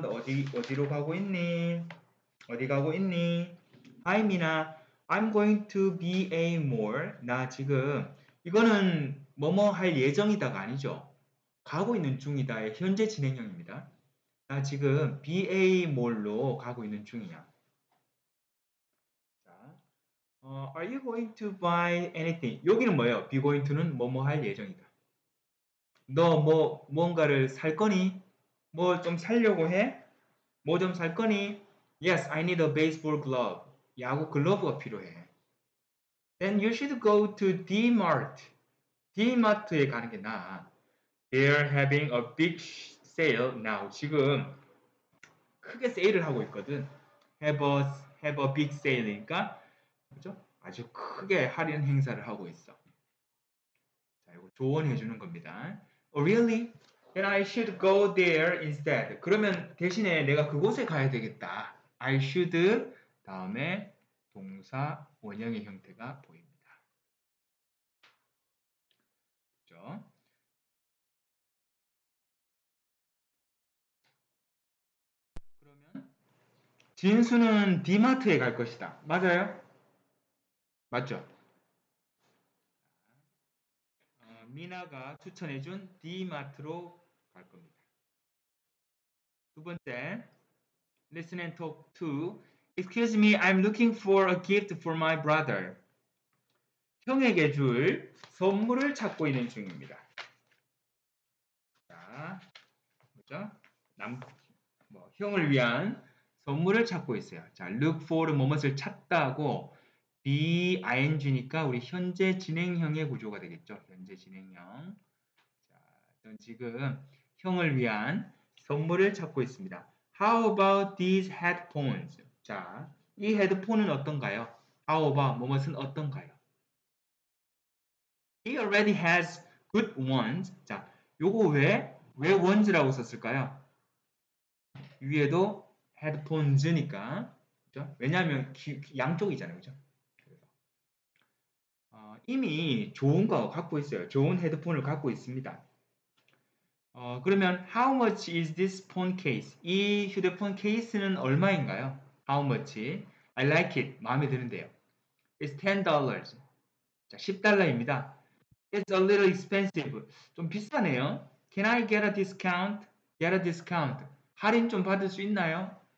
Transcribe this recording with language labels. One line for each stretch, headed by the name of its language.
Korean: 너 어디로 가고 있니? 어디 가고 있니?
English: Hi, Mina. I'm going to be a mall.
Korean: 나 지금 이거는 뭐뭐 할 예정이다가 아니죠. 가고 있는 중이다의 현재 진행형입니다. 나 지금 BA 몰로 가고 있는 중이야.
English: 자, Are you going to buy anything?
Korean: 여기는 뭐예요? Be going to는 뭐뭐 할 예정이다. 너 뭐 뭔가를 살 거니? 뭐 좀 살려고 해? 뭐 좀 살 거니?
English: Yes, I need a baseball glove.
Korean: 야구 글러브가 필요해.
English: Then you should go to D-Mart.
Korean: D-Mart에 가는 게 나아.
English: They're having a big sale now.
Korean: 지금 크게 세일을 하고 있거든.
English: Have a big sale
Korean: 이니까 그렇죠? 아주 크게 할인 행사를 하고 있어. 자, 이거 조언해 주는 겁니다.
English: Oh, really? Then I should go there instead.
Korean: 그러면 대신에 내가 그곳에 가야 되겠다.
English: I should
Korean: 다음에 동사 원형의 형태가 보입니다. 그렇죠? 그러면 진수는 D마트에 갈 것이다. 맞아요? 맞죠? 미나가 추천해준 D마트로 갈 겁니다. 두 번째,
English: Listen and talk to. Excuse me, I'm looking for a gift for my brother.
Korean: 형에게 줄 선물을 찾고 있는 중입니다. 자, 그죠? 형을 위한 선물을 찾고 있어요. 자, look for 무엇을 찾다고 be ing니까 우리 현재 진행형의 구조가 되겠죠. 현재 진행형. 자, 저는 지금 형을 위한 선물을 찾고 있습니다.
English: How about these headphones?
Korean: 자, 이 헤드폰은 어떤가요?
English: How about
Korean: 뭐뭐은 어떤가요?
English: He already has good ones.
Korean: 자, 요거 왜 ones라고 썼을까요? 위에도 headphones니까. 그렇죠? 왜냐하면 양쪽이잖아요. 그렇죠? 이미 좋은 거 갖고 있어요. 좋은 헤드폰을 갖고 있습니다.
English: 그러면 How much is this phone case?
Korean: 이 휴대폰 케이스는 얼마인가요?
English: How much? I like it.
Korean: 마음에 드는데요.
English: It's $10.
Korean: 자, 10달러입니다.
English: It's a little expensive.
Korean: 좀 비싸네요.
English: Can I get a discount? Get a discount.
Korean: 할인 좀 받을 수 있나요?